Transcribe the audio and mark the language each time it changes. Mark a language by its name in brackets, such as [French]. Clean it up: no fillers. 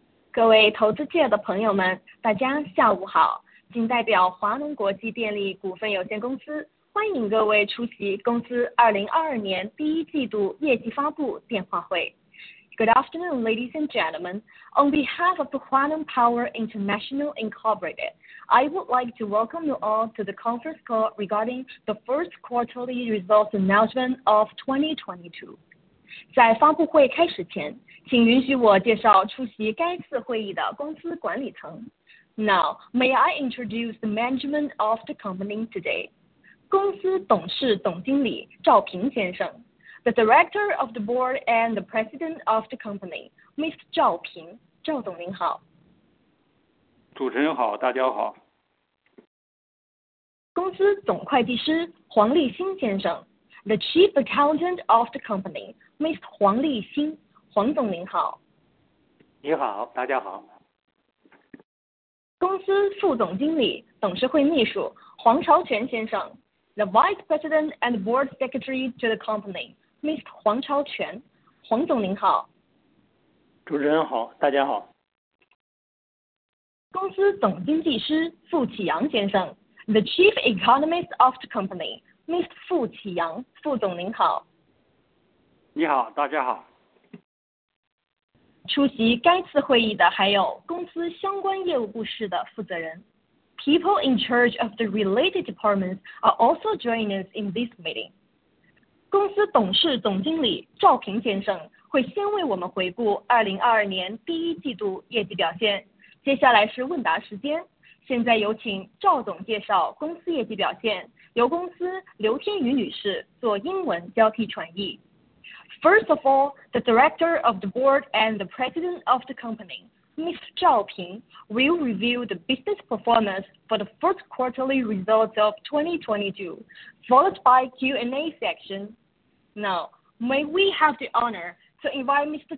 [Chinese] 各位投资界的朋友们，大家下午好！谨代表华能国际电力股份有限公司，欢迎各位出席公司2022年第一季度业绩发布电话会。 [English] Good afternoon, ladies and gentlemen. On behalf of the Huaneng Power International Incorporated, I would like to welcome you all to the conference call regarding the first quarterly results announcement of 2022. [Chinese] 在发布会开始前，请允许我介绍出席该次会议的公司管理层。 [English] Now, may I introduce the management of the company today? [Chinese] 公司董事总经理赵平先生。 [English] The Director of the Board and the President of the Company, Mr. [Chinese] 赵平，赵总您好。主持人好，大家好。公司总会计师黄立新先生， [English] The Chief Accountant of the Company, Mr. [Chinese] 黄立新，黄总您好。你好，大家好。公司副总经理、董事会秘书黄朝全先生， [English] The Vice President and Board Secretary to the Company。Mr. [Chinese] 黄超全，黄总您好。主持人好，大家好。公司总经济师傅启阳先生， [English] The Chief Economist of the Company。Mr. [Chinese] 傅启阳，傅总您好。你好，大家好。出席该次会议的还有公司相关业务部室的负责人。 [English] People in charge of the related departments are also joining us in this meeting. [Chinese] 公司董事总经理赵平先生会先为我们回顾2022年第一季度业绩表现，接下来是问答时间。现在有请赵总介绍公司业绩表现，由公司刘天宇女士做英文交替传译。 [English] First of all, the Director of the Board and the President of the Company, Mr. Zhao Ping, will review the business performance for the first quarterly results of 2022, followed by Q&A section. Now, may we have the honor to invite Mr.